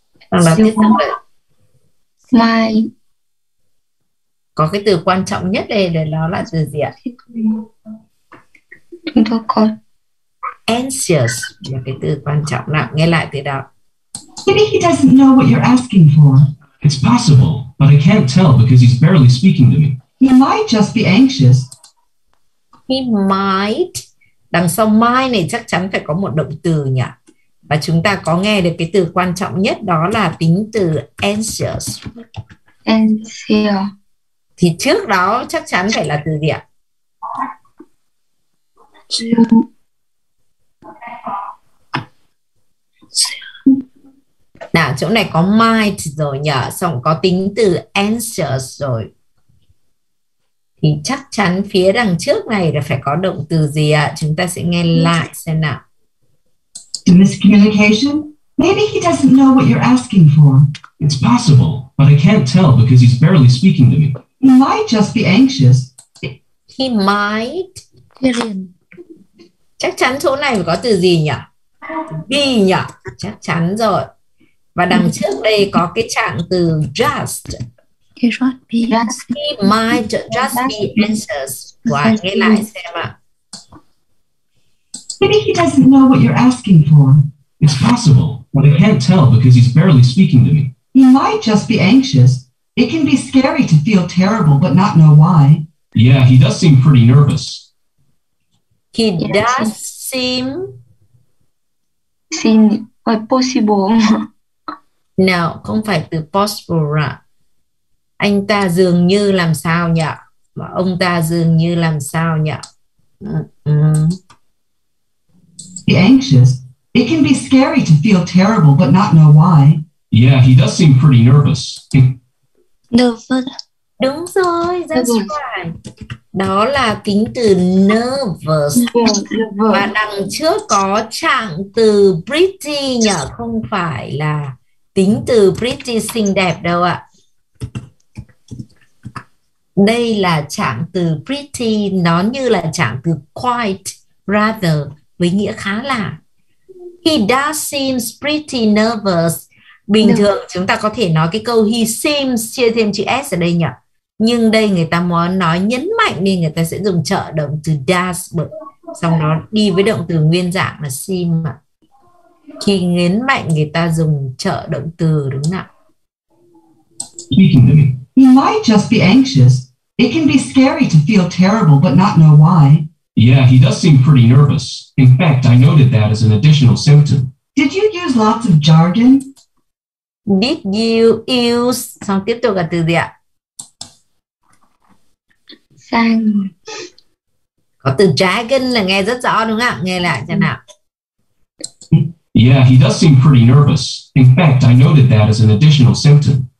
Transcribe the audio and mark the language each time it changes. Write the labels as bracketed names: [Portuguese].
[Vietnamese] Hoặc là có cái từ quan trọng nhất đây để nó là từ gì ạ? Anxious là cái từ quan trọng. Nào, nghe lại từ đó. [English] Maybe he doesn't know what you're asking for. It's possible, but I can't tell because he's barely speaking to me. He might just be anxious. He might. [Vietnamese] Đằng sau might này chắc chắn phải có một động từ nhỉ? Và chúng ta có nghe được cái từ quan trọng nhất đó là tính từ anxious. [English] Anxious. [Vietnamese] Thì trước đó chắc chắn phải là từ gì ạ? Nào, chỗ này có might rồi nhờ, xong có tính từ answers rồi. Thì chắc chắn phía đằng trước này là phải có động từ gì ạ? Chúng ta sẽ nghe lại xem nào. [English] The miscommunication? Maybe he doesn't know what you're asking for. It's possible, but I can't tell because he's barely speaking to me. He might just be anxious. He might. [Vietnamese] Chắc chắn chỗ này phải có từ gì nhỉ? Be nhỉ? Chắc chắn rồi. Và đằng trước đây có cái trạng từ just. [English] He might just be anxious. [Vietnamese] Và nghe lại xem ạ. [English] Maybe he doesn't know what you're asking for. It's possible, but I can't tell because he's barely speaking to me. He might just be anxious. It can be scary to feel terrible but not know why. Yeah, he does seem pretty nervous. He does seem... Seem quite possible. [Vietnamese] No, không phải từ possible ạ. Anh ta dường như làm sao nhỉ? Và ông ta dường như làm sao nhỉ? [English] Be anxious. It can be scary to feel terrible but not know why. Yeah, he does seem pretty nervous. Nervous. [Vietnamese] Đúng rồi, [English] that's right. [Vietnamese] Đó là tính từ nervous. Và đằng trước có trạng từ pretty nhỉ? Không phải là tính từ pretty xinh đẹp đâu ạ. Đây là trạng từ pretty, nó như là trạng từ quite, rather, với nghĩa khá là. [English] He does seem pretty nervous. [Vietnamese] Bình thường chúng ta có thể nói cái câu he seems chia thêm chữ s ở đây nhỉ. Nhưng đây người ta muốn nói nhấn mạnh nên người ta sẽ dùng trợ động từ does, xong nó đi với động từ nguyên dạng là seem. Khi nhấn mạnh người ta dùng trợ động từ, đúng không ạ? [English] He might just be anxious. It can be scary to feel terrible but not know why. Yeah, he does seem pretty nervous. In fact, I noted that as an additional symptom. Did you use lots of jargon? Did you use... [Vietnamese] Xong tiếp tục là từ gì ạ? Sang. Có từ jargon là nghe rất rõ đúng không ạ? Nghe lại cho nào. [English] Yeah, he does seem pretty nervous. In fact, I noted that as an additional symptom.